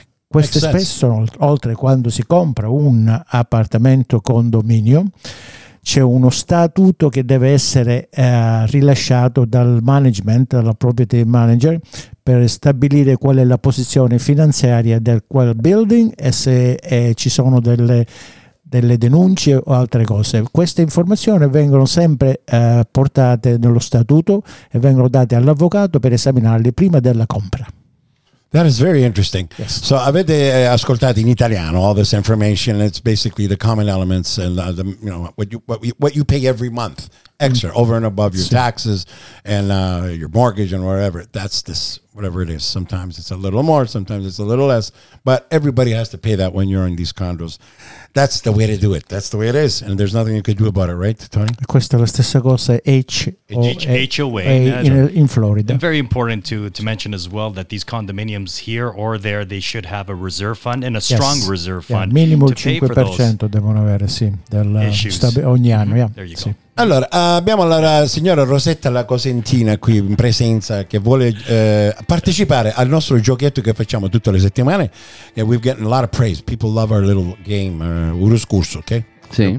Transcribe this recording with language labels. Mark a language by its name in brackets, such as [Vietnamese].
[Italian] Queste spese sono, oltre, quando si compra un appartamento condominio, c'è uno statuto che deve essere rilasciato dal management, dalla property manager, per stabilire qual è la posizione finanziaria del quel building e se ci sono delle denunce o altre cose. Queste informazioni vengono sempre portate nello statuto e vengono date all'avvocato per esaminarle prima della compra. [English] That is very interesting. Yes. So [Italian] avete ascoltato in italiano [English] all this information, and it's basically the common elements and the, you know, what you pay every month extra over and above your taxes and your mortgage and whatever. That's this, whatever it is. Sometimes it's a little more, sometimes it's a little less, but everybody has to pay that when you're in these condos. That's the way to do it. That's the way it is, and there's nothing you could do about it, right, Tony? [Italian] Questa è la stessa cosa, HOA in Florida. [English] Very important to mention as well that these condominiums here or there, they should have a reserve fund and a strong reserve fund. [Italian] Minimo 5% devono avere, sì, ogni anno. Yeah. [English] There you go. [Italian] Sì. Allora, abbiamo la signora Rosetta La Cosentina qui in presenza, che vuole partecipare al nostro giochetto che facciamo tutte le settimane. [English] Yeah, we've gotten a lot of praise. People love our little game, Uro Scurso, ok? [Italian] Sì.